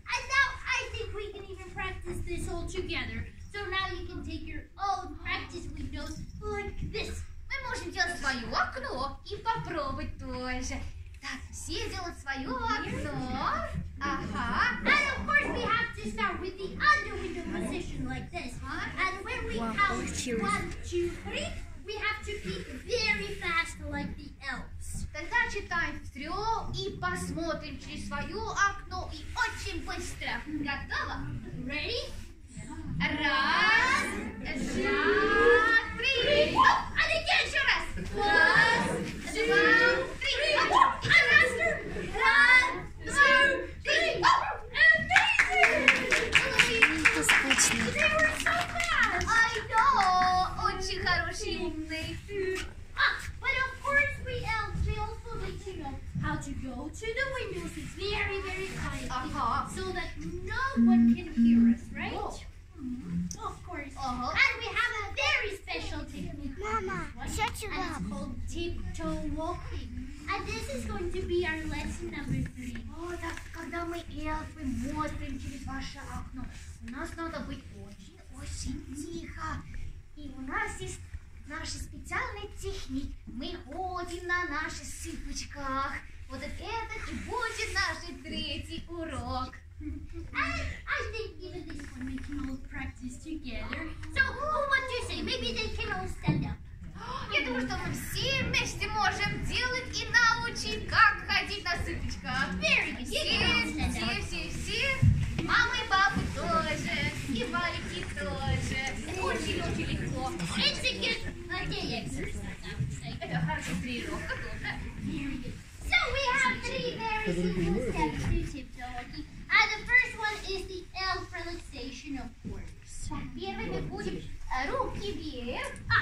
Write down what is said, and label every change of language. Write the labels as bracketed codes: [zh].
[en] And now I think we can even practice this all together. So now you can take your own practice windows like this. [ru] Мы можем делать свое окно и попробовать тоже. Так, все делают свое окно. Ага. [en] And of course we have to start with the under window position like this. Huh? And when we count 1, 2, 3, we have to peek very fast like the elves. [ru] Тогда читаем трех и посмотрим через свое окно и очень быстро. Готово? [en] Ready? [ru] Раз, два, три. [en] And again, [ru] еще раз. Раз, два, три. [en] And faster. [ru] Раз, два, три. [en] Amazing! [ru] Это скучно. [en] They were so fast. I know. [ru] Очень хорошие и умные. [en] But of course we elves, we also need to know how to go to the windows. It's very, very quiet. Uh-huh. So that no one can hear us, right? Whoa. Of course. Uh-huh. And we have a very special technique. Mama, shut your mouth. And it's called tiptoe walking. And this is going to be our lesson number 3. [ru] Oh, так когда мы эльфы смотрим через ваше окно, у нас надо быть очень-очень тихо. И у нас есть наша специальная техника. Мы ходим на наших сыпочках. Вот это и будет наш 3-й урок. [en] And I think even this one we can all practice together. So what do you say? Maybe they can all stand up. [ru] Я думаю, что мы все вместе можем делать и научить, как ходить на сыпочках. [en] Very good. [ru] Все. Мама и папа тоже. И маленькие тоже. Очень-очень легко. [en] It's a good day exercise. [ru] Это хорошая тренировка тоже. [en] So we have 3 very simple steps to tiptoeing. And the first one is the elf relaxation, of course. [ru] Первый мы будем руки вверх.